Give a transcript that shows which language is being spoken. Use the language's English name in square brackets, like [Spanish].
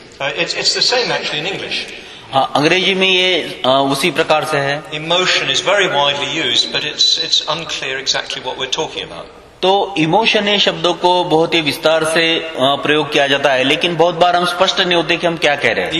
[English] It's the same actually in English. [Hindi] अंग्रेजी में ये उसी प्रकार से है. [English] Emotion is very widely used, but it's unclear exactly what we're talking about. [Hindi] तो इमोशन शब्दों को बहुत ही विस्तार से प्रयोग किया जाता है, लेकिन बहुत बार हम स्पष्ट नहीं होते कि हम क्या कह रहे हैं।